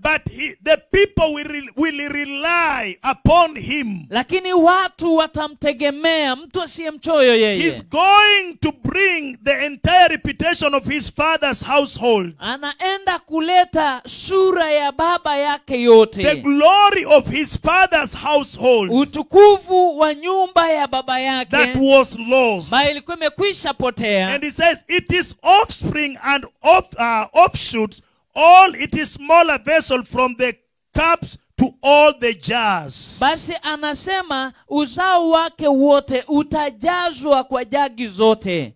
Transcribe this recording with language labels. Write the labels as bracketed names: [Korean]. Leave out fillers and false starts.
[English] But the people will rely upon him. [Swahili] Lakini watu watamtegemea, mtu asiyemchoyo yeye. [English] He's going to bring the entire reputation of his father's household. [Swahili] Anaenda kuleta sura ya baba yake yote. [English] The glory of his father's household. [Swahili] Utukufu wa nyumba ya baba yake. [English] That was lost. [Swahili] Ba ilikuwa imekwisha potea. [English] And he says it is offspring and offshoots, all it is smaller vessel from the cups to all the jars. [Swahili] Basi anasema uzao wake wote utajazwa kwa jagi zote.